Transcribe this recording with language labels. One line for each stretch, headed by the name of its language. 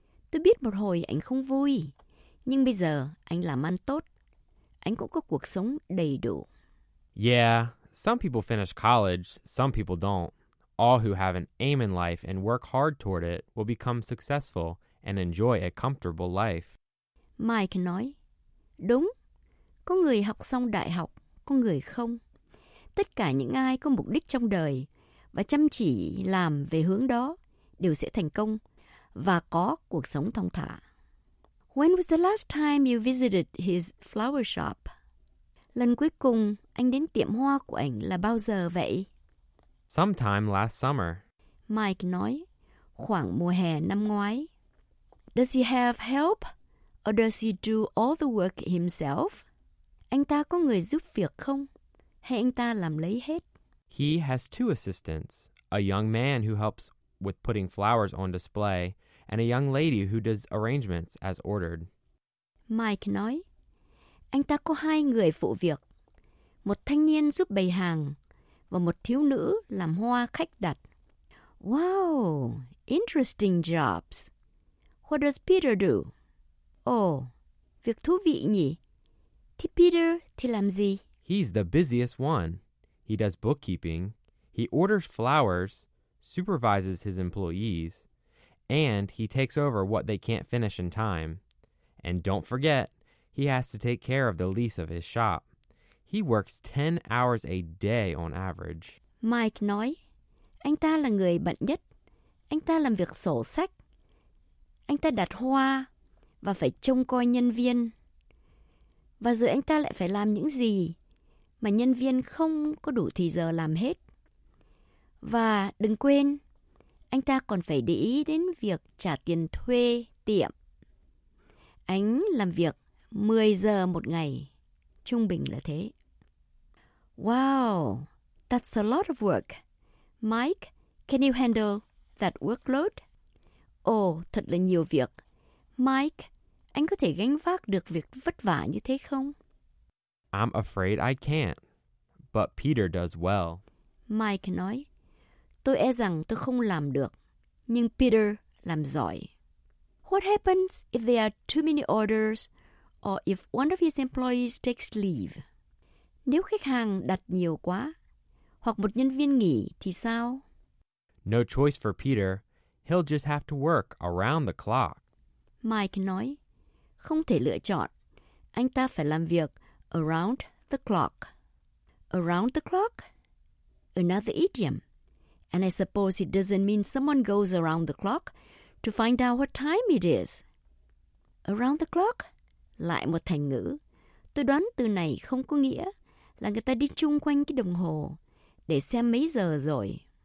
Vietnamese: Tôi biết một hồi anh không vui, nhưng bây giờ anh làm ăn tốt. Anh cũng có cuộc sống đầy đủ.
English: Yeah. Some people finish college, some people don't. All who have an aim in life and work hard toward it will become successful and enjoy a comfortable life.
Vietnamese: Mike nói, đúng, có người học xong đại học, có người không. Tất cả những ai có mục đích trong đời và chăm chỉ làm về hướng đó đều sẽ thành công và có cuộc sống thong thả.
English: When was the last time you visited his flower shop?
Vietnamese: Lần cuối cùng anh đến tiệm hoa của anh là bao giờ vậy?
English: Sometime last summer.
Vietnamese: Mike nói, khoảng mùa hè năm ngoái.
English: Does he have help or does he do all the work himself?
Vietnamese: Anh ta có người giúp việc không? Hay anh ta làm lấy hết?
English: He has two assistants, a young man who helps with putting flowers on display and a young lady who does arrangements as ordered.
Vietnamese: Mike nói, anh ta có hai người phụ việc, một thanh niên giúp bày hàng và một thiếu nữ làm hoa khách đặt.
English: Wow, interesting jobs. What does Peter do?
Vietnamese: Oh, việc thú vị nhỉ. Thì Peter thì làm gì?
English: He's the busiest one. He does bookkeeping. He orders flowers, supervises his employees, and he takes over what they can't finish in time. And don't forget, he has to take care of the lease of his shop. He works 10 hours a day on average.
Vietnamese: Mike nói, anh ta là người bận nhất. Anh ta làm việc sổ sách. Anh ta đặt hoa và phải trông coi nhân viên. Và rồi anh ta lại phải làm những gì mà nhân viên không có đủ thì giờ làm hết. Và đừng quên, anh ta còn phải để ý đến việc trả tiền thuê tiệm. Anh làm việc 10 giờ một ngày, trung bình là thế.
English: Wow, that's a lot of work. Mike, can you handle that workload?
Vietnamese: Oh, thật là nhiều việc. Mike, anh có thể gánh vác được việc vất vả như thế không?
English: I'm afraid I can't, but Peter does well.
Vietnamese: Mike nói, tôi e rằng tôi không làm được, nhưng Peter làm giỏi.
English: What happens if there are too many orders or if one of his employees takes leave?
Vietnamese: Nếu khách hàng đặt nhiều quá, hoặc một nhân viên nghỉ thì sao?
English: No choice for Peter. He'll just have to work around the clock.
Vietnamese: Mike nói, không thể lựa chọn. Anh ta phải làm việc
English: around the clock. Around the clock? Another idiom. And I suppose it doesn't mean someone goes around the clock to find out what time it is. Around the clock?
Vietnamese: Lại một thành ngữ. Tôi đoán từ này không có nghĩa là người ta đi chung quanh cái đồng hồ để xem mấy giờ rồi.